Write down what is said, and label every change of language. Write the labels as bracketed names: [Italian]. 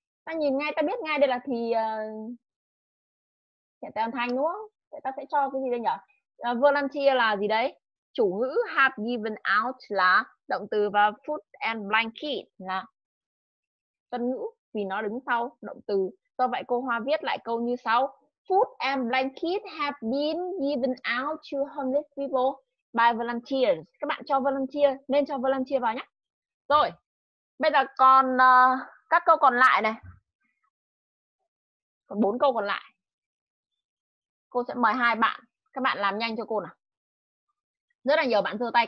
[Vietnamese] Ta nhìn ngay, ta biết ngay đây là thì hiện tại âm thanh đúng không? Ta sẽ cho cái gì đây nhỉ? Volunteer là gì đấy? Chủ ngữ [English] have given out [Vietnamese] là động từ và [English] food and blanket [Vietnamese] là tân ngữ vì nó đứng sau động từ. Do vậy cô Hoa viết lại câu như sau. [English] Food and blanket have been given out to homeless people by volunteers. [Vietnamese] Các bạn cho volunteer, nên cho volunteer vào nhé. Rồi, bây giờ còn các câu còn lại này. Còn 4 câu còn lại. Cô sẽ mời 2 bạn. Các bạn làm nhanh cho cô nào. Rất là nhiều bạn giơ tay.